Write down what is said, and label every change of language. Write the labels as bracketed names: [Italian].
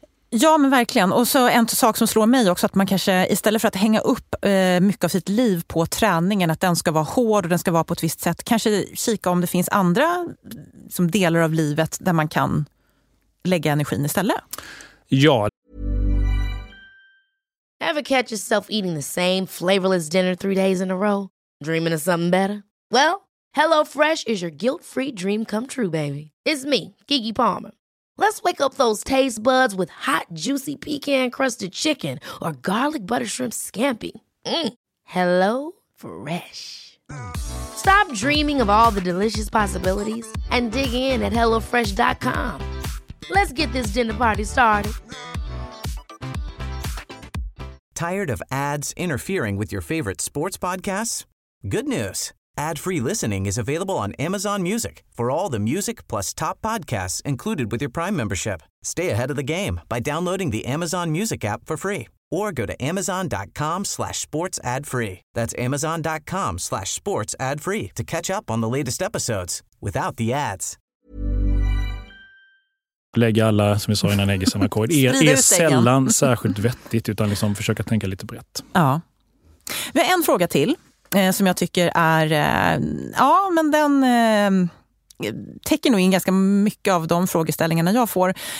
[Swedish] Ja, men verkligen. Och så en sak som slår mig också, att man kanske istället för att hänga upp mycket av sitt liv på träningen, att den ska vara hård och den ska vara på ett visst sätt, kanske kika om det finns andra som delar av livet där man kan lägga energin istället. Ja. [English] Ever catch yourself eating the same flavorless dinner 3 days in a row? Dreaming of something better? Well, HelloFresh is your guilt-free dream come true, baby. It's me, Keke Palmer. Let's wake up those taste buds with hot, juicy pecan-crusted chicken or garlic butter shrimp scampi. Mm. Hello Fresh. Stop dreaming of all the delicious possibilities and dig in at HelloFresh.com. Let's get this dinner party started. Tired of ads interfering with your favorite sports podcasts? Good news. Ad-free listening is available on Amazon Music for all the music plus top podcasts included with your Prime membership. Stay ahead of the game by downloading the Amazon Music app for free or go to amazon.com/sportsadfree. That's amazon.com/sportsadfree to catch up on the latest episodes without the ads. [Swedish] Lägga alla, som jag sa innan, ägg i samma korg. Är sällan särskilt vettigt, utan liksom försöka tänka lite brett. Ja. Vi har en fråga till. Som jag tycker är, ja, men den täcker nog in ganska mycket av de frågeställningarna jag får.